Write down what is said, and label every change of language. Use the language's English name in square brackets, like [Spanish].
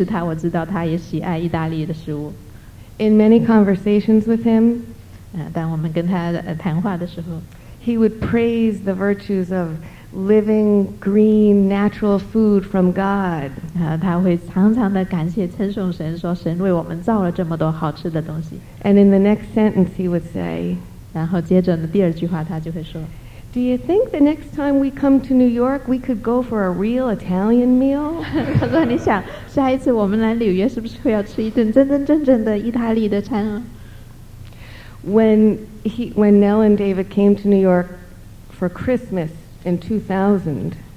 [Chinese] 后来我在认识他，我知道他也喜爱意大利的食物。 [English] In many conversations with him, [Chinese] 当我们跟他谈话的时候, [English] he would praise the virtues of living, green, natural food from God. [Chinese] 他会常常地感谢称颂神，说神为我们造了这么多好吃的东西。 [English] And in the next sentence he would say, [Chinese] 然后接着第二句话他就会说, [English] Do you think the next time we come to New York, we could go for a real Italian meal? [Chinese] 他说你想下一次我们来纽约是不是会要吃一顿真真正正的意大利的餐? [English] When Nell and David came to New York for Christmas in 2000,